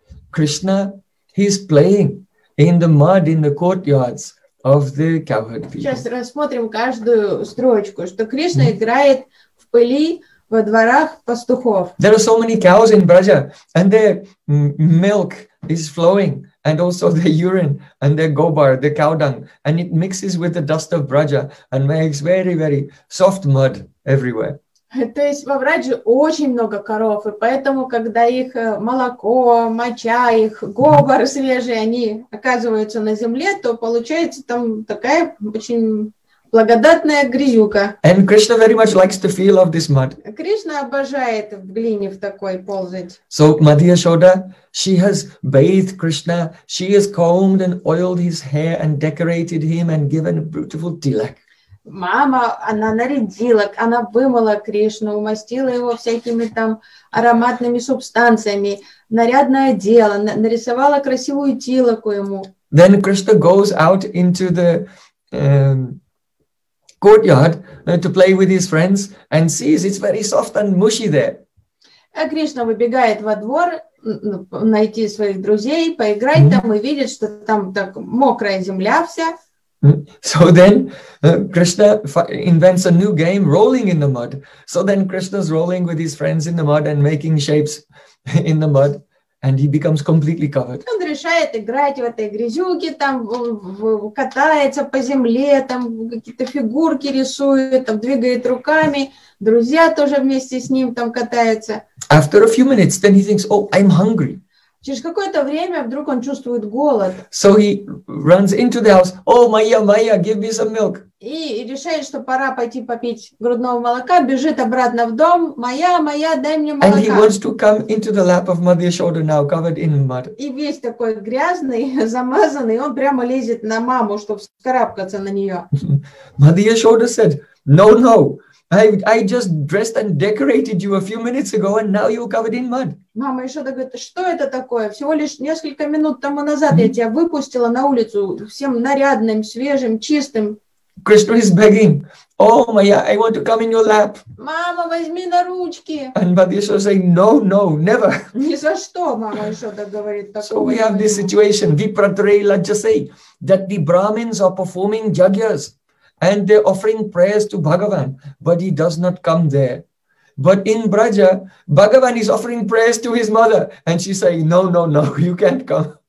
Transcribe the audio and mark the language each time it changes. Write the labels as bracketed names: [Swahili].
[English] Krishna, he's playing in the mud in the courtyards of the cowherd people. [Russian] Сейчас рассмотрим каждую строчку, что Кришна играет в пыли во дворах пастухов. [English] There are so many cows in Braja, and their milk is flowing, and also their urine, and their gobar, the cow dung, and it mixes with the dust of Braja, and makes very, very soft mud everywhere. [Russian] То есть во Врадже очень много коров, и поэтому, когда их молоко, моча, их гобор свежий, они оказываются на земле, то получается там такая очень благодатная грязюка. [English] And Krishna very much likes the feel of this mud. [Russian] Кришна обожает в глине в такой ползать. [English] So, Madhya Shoda, she has bathed Krishna, she has combed and oiled his hair and decorated him and given a beautiful tilak. [Russian] Мама, она нарядила, она вымыла Кришну, умастила его всякими там ароматными субстанциями, нарядно одела, нарисовала красивую тилаку ему. [English] Then Krishna goes out into the courtyard to play with his friends and sees it's very soft and mushy there. [Russian] А Кришна выбегает во двор найти своих друзей, поиграть там и видит, что там так мокрая земля вся. [English] So then Krishna invents a new game, rolling in the mud. So then Krishna's rolling with his friends in the mud and making shapes in the mud, and he becomes completely covered. [Russian] Он решает играть в этой грязюке, там катается по земле, там какие-то фигурки рисует, там двигает руками. Друзья тоже вместе с ним там катаются. [English] After a few minutes, then he thinks, "Oh, I'm hungry." [Russian] Через какое-то время вдруг он чувствует голод. [English] So he runs into the house. "Oh, Maya, Maya, give me some milk." [Russian] И решает, что пора пойти попить грудного молока, бежит обратно в дом. "Maya, Maya, дай мне молока." [English] And he wants to come into the lap of Mother Yashoda now, covered in mud. [Russian] И весь такой грязный, замазанный, он прямо лезет на маму, чтобы вскарабкаться на нее. [English] Mother Yashoda said, "No, no. I just dressed and decorated you a few minutes ago, and now you're covered in mud." [Russian] Мама еще говорит, что это такое? Всего лишь несколько минут тому назад я тебя выпустила на улицу всем нарядным, свежим, чистым. [English] Krishna is begging, "Oh, Maya, I want to come in your lap." [Russian] Мама, возьми на ручки. [English] And Mother Yashoda saying, "No, no, never." [Russian] Ни за что, мама еще говорит такое. [English] So we have this situation, [Sanskrit] Vipratraila Jasei, [English] that the Brahmins are performing jagyas. And they're offering prayers to Bhagavan, but he does not come there. But in Braja, Bhagavan is offering prayers to his mother, and she's saying, "No, no, no, you can't come."